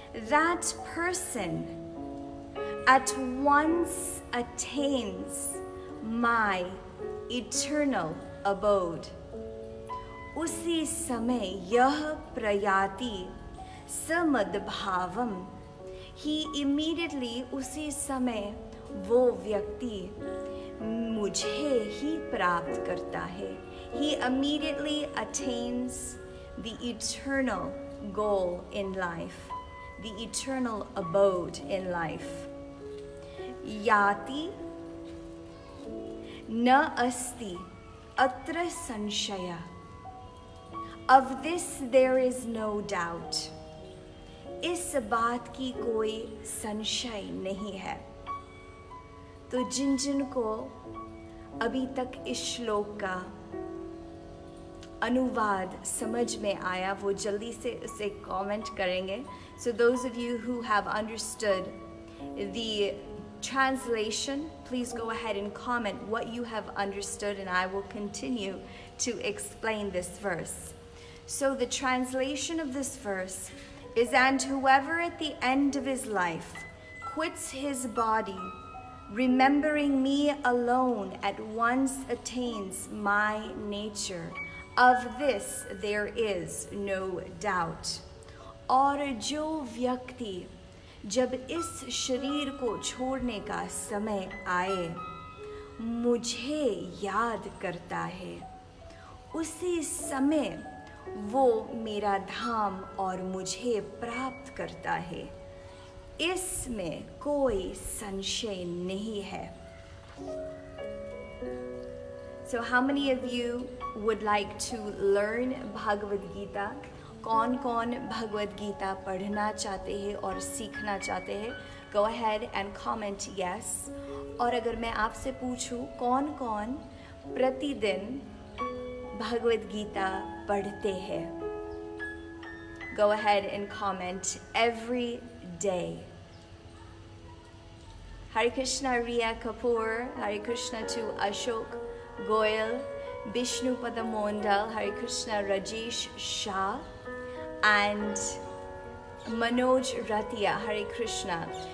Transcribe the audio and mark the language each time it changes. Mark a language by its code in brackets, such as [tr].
[en] that person at once attains my eternal abode, [hi] उसी समय यह प्रयाति samadbhavam, [en] he immediately, [hi] usi samay, wo vyakti, mujhe hi prapt karta hai. [en] He immediately attains the eternal goal in life, the eternal abode in life. [sa] याति न अस्ति अत्र संशयः. [en] Of this there is no doubt. [hi] इस बात की कोई संशय नहीं है. तो जिन जिन को अभी तक इस श्लोक का अनुवाद समझ में आया वो जल्दी से उसे कमेंट करेंगे. [en] So those of you who have understood the translation, please go ahead and comment what you have understood and I will continue to explain this verse. So the translation of this verse is, and whoever at the end of his life quits his body, remembering me alone, at once attains my nature. Of this there is no doubt. [hi] और जो व्यक्ति जब इस शरीर को छोड़ने का समय आए मुझे याद करता है उसी समय वो मेरा धाम और मुझे प्राप्त करता है इसमें कोई संशय नहीं है. [en] So how many of you would like to learn Bhagavad Gita? [hi] कौन कौन भगवद गीता पढ़ना चाहते हैं और सीखना चाहते हैं? [en] Go ahead and comment yes. [hi] और अगर मैं आपसे पूछूं कौन कौन प्रतिदिन भगवद गीता पढ़ते हैं? [en] Go ahead and comment every day. Hare Krishna Riya Kapoor, Hare Krishna to Ashok Goyal, Vishnupada Mondal, Hare Krishna Rajesh Shah, and Manoj Ratia, Hare Krishna.